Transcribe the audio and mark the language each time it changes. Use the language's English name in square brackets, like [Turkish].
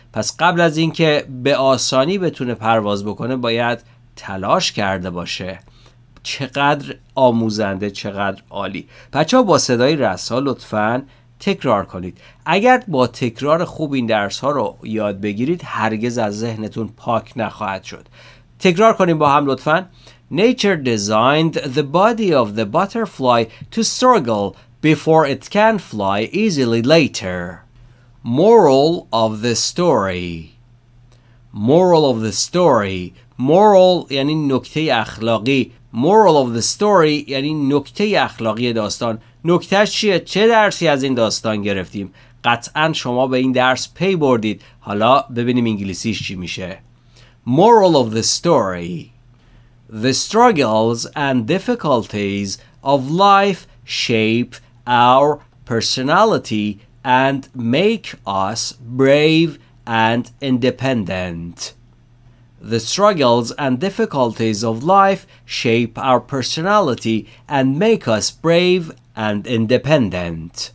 [Persian] پس قبل از این که به آسانی بتونه پرواز بکنه باید تلاش کرده باشه. چقدر آموزنده، چقدر عالی. بچه ها با صدای رسا لطفاً تکرار کنید. اگر با تکرار خوب این درس ها رو یاد بگیرید هرگز از ذهنتون پاک نخواهد شد. تکرار کنیم با هم لطفاً. [English] Nature designed the body of the butterfly to struggle before it can fly easily later. Moral of the story. Moral of the story. [Persian] Moral یعنی نکته اخلاقی. [English] Moral of the story [Persian] یعنی نکته اخلاقی داستان. نکتهش چیه؟ چه درسی از این داستان گرفتیم؟ قطعا شما به این درس پی بردید. حالا ببینیم انگلیسیش چی میشه. [English] Moral of the story. The struggles and difficulties of life shape our personality and make us brave and independent. The struggles and difficulties of life shape our personality and make us brave and independent.